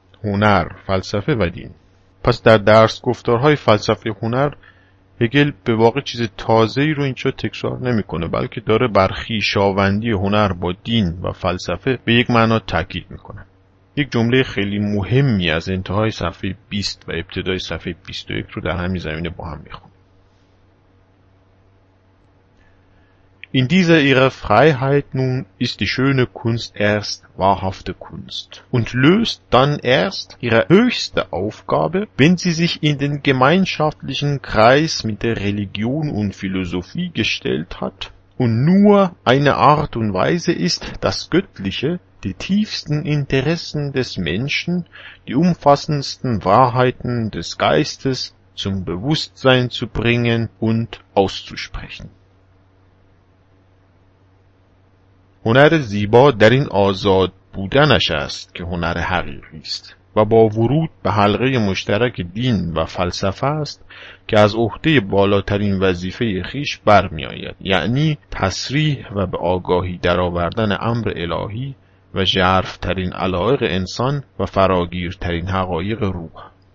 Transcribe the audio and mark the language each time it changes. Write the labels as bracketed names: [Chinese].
[Persian] هنر، فلسفه و دین. پس در درس گفتارهای فلسفه هنر، هگل به واقع چیز تازه‌ای رو اینجا تکرار نمی‌کنه، بلکه داره بر خویشاوندی هنر با دین و فلسفه به یک معنا تاکید می‌کنه. یک جمله خیلی مهمی از انتهای صفحه 20 و ابتدای صفحه 21 رو در همین زمینه با هم می‌خونیم. [German] In dieser ihrer Freiheit nun ist die schöne Kunst erst wahrhafte Kunst und löst dann erst ihre höchste Aufgabe, wenn sie sich in den gemeinschaftlichen Kreis mit der Religion und Philosophie gestellt hat und nur eine Art und Weise ist, das Göttliche, die tiefsten Interessen des Menschen, die umfassendsten Wahrheiten des Geistes zum Bewusstsein zu bringen und auszusprechen. [Persian] هنر زیبا در این آزاد بودنش است که هنر حقیقی است و با ورود به حلقه مشترک دین و فلسفه است که از عهده بالاترین وظیفه خیش برمی آید، یعنی تصریح و به آگاهی درآوردن امر الهی و ژرف‌ترین علایق انسان و فراگیرترین حقایق روح.